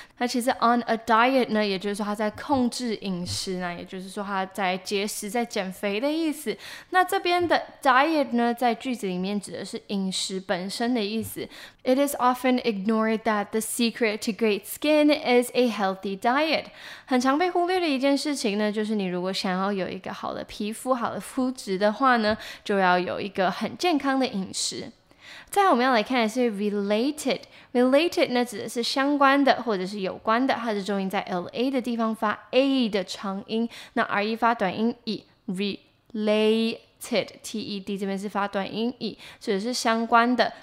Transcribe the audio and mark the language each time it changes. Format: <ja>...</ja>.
<zh>那其实 on a diet 呢，也就是说他在控制饮食，那也就是说他在节食，在减肥的意思。那这边的 diet 呢，在句子里面指的是饮食本身的意思。</zh> <en>It is often ignored that the secret to great skin is a healthy diet。</en> <zh>很常被忽略的一件事情呢，就是你如果想要有一个好的皮肤，肤好的肤质的话呢，就要有一个很健康的饮食。再来我们要来看的是 related。related 呢指的是相关的或者是有关的，它是重音在 LA 的地方发 A 的长音，那 RE 发短音 E， related TED 这边是发短音 E， 指的是相关的。</zh>